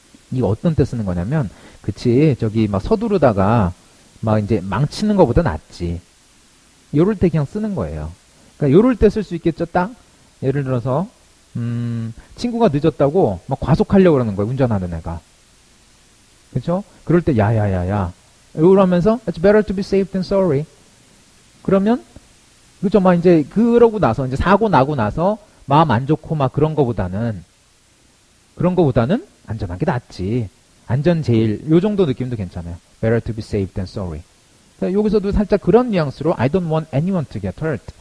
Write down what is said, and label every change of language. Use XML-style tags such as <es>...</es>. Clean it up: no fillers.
<ko>이게 어떤 때 쓰는 거냐면, 그치, 저기 막 서두르다가 막 이제 망치는 것보다 낫지. 요럴 때 그냥 쓰는 거예요. 그러니까 요럴 때 쓸 수 있겠죠, 딱? 예를 들어서, 친구가 늦었다고 막 과속하려고 그러는 거예요, 운전하는 애가. 그쵸? 그럴 때, 야. 이러면서,</ko> <en>it's better to be safe than sorry.</en> <ko>그러면, 그쵸, 막 이제 그러고 나서, 이제 사고 나고 나서 마음 안 좋고 막 그런 거보다는 안전한 게 낫지. 안전 제일. 요 정도 느낌도 괜찮아요.</ko> <en>Better to be safe than sorry.</en> <ko>여기서도 살짝 그런 뉘앙스로</ko> <en>I don't want anyone to get hurt.</en>